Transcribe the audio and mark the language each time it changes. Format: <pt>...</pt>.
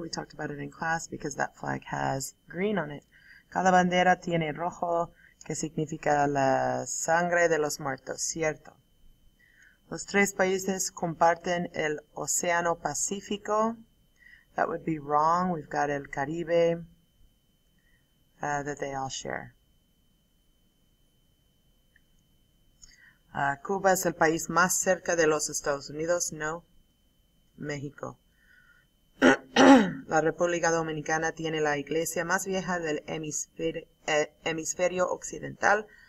<en>We talked about it in class because that flag has green on it.</en> <es>Cada bandera tiene rojo, que significa la sangre de los muertos, cierto. Los tres países comparten el Océano Pacífico.</es> <en>That would be wrong. We've got</en> <es>el Caribe</es> <en>that they all share.</en> <es>Cuba es el país más cerca de los Estados Unidos. No, México. La República Dominicana tiene la iglesia más vieja del hemisferio occidental.</es>